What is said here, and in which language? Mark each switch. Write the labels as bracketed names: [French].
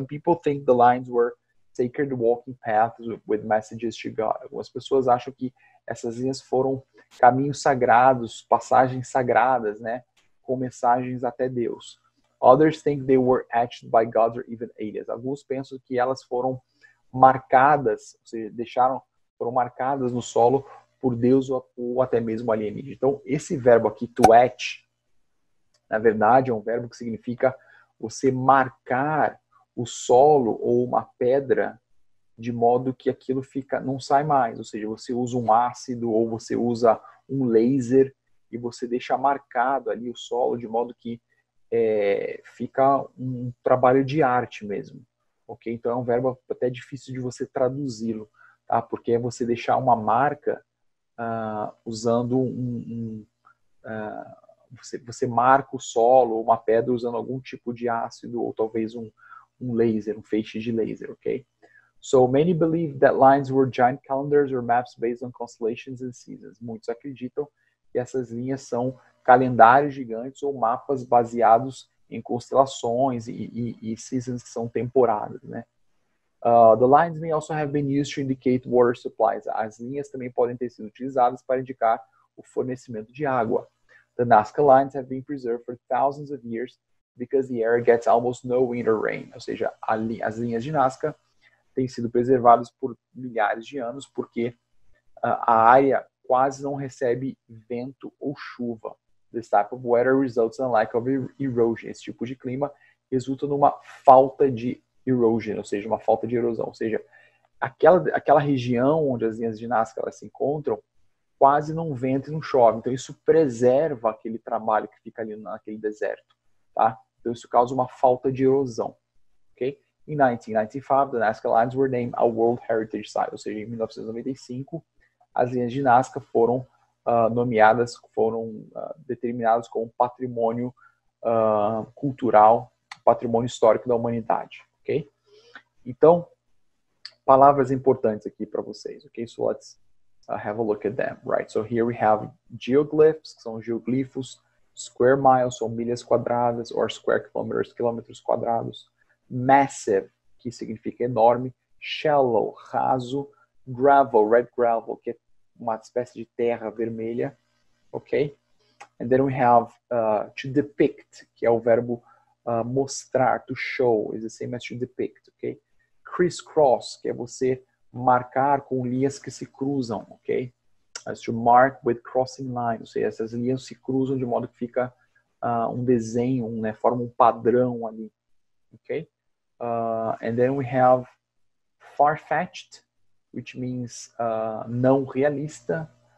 [English] Some people think the lines were sacred walking paths with messages to God. [Portuguese] Algumas pessoas acham que essas linhas foram caminhos sagrados, passagens sagradas, né, com mensagens até Deus. [English] Others think they were etched by gods or even aliens. [Portuguese] Alguns pensam que elas foram marcadas, ou seja, foram marcadas no solo por Deus ou até mesmo alienígena. Então, esse verbo aqui, to etch, na verdade, é um verbo que significa você marcar o solo ou uma pedra de modo que aquilo fica, não sai mais. Ou seja, você usa um ácido ou você usa um laser e você deixa marcado ali o solo de modo que fica um trabalho de arte mesmo. Ok? Então é um verbo até difícil de você traduzi-lo, tá? Porque é você deixar uma marca usando você marca o solo, uma pedra usando algum tipo de ácido ou talvez um laser, um feixe de laser, ok? [English] So many believe that lines were giant calendars or maps based on constellations and seasons. [Portuguese] Muitos acreditam que essas linhas são calendários gigantes ou mapas baseados em constelações e seasons que são temporadas, né? [English] The lines may also have been used to indicate water supplies. [Portuguese] As linhas também podem ter sido utilizadas para indicar o fornecimento de água. [English] The Nazca lines have been preserved for thousands of years because the area gets almost no winter rain. [Portuguese] Ou seja, as linhas de Nazca têm sido preservadas por milhares de anos porque a área quase não recebe vento ou chuva. [English] This type of weather results in a lack of erosion. [Portuguese] Esse tipo de clima resulta numa falta de erosion, ou seja, uma falta de erosão. Ou seja, aquela região onde as linhas de Nazca elas se encontram, quase não venta e não chove. Então, isso preserva aquele trabalho que fica ali naquele deserto, tá? Então, isso causa uma falta de erosão, ok? [English] Em 1995, the Nazca Lines were named a World Heritage Site. [Portuguese] Ou seja, em 1995, as linhas de Nazca foram nomeadas, foram determinadas como patrimônio cultural, patrimônio histórico da humanidade, ok? Então, palavras importantes aqui para vocês, ok? [English] So let's have a look at them, right? So here we have geoglyphs, [Portuguese] que são geoglifos, [English] Square miles, [Portuguese] ou milhas quadradas, [English] or square kilometers, [Portuguese] quilômetros quadrados. Massive, que significa enorme. Shallow, raso. Gravel, red gravel, que é uma espécie de terra vermelha. Ok? [English] And then we have to depict, [Portuguese] que é o verbo mostrar, [English] to show, is the same as to depict, ok? [Portuguese] Crisscross, que é você marcar com linhas que se cruzam, ok? [English] As to mark with crossing lines, [Portuguese] ou seja, essas linhas se cruzam de modo que fica um desenho, né? Forma um padrão ali, [English] ok? And then we have far-fetched, which means [Portuguese] não realista.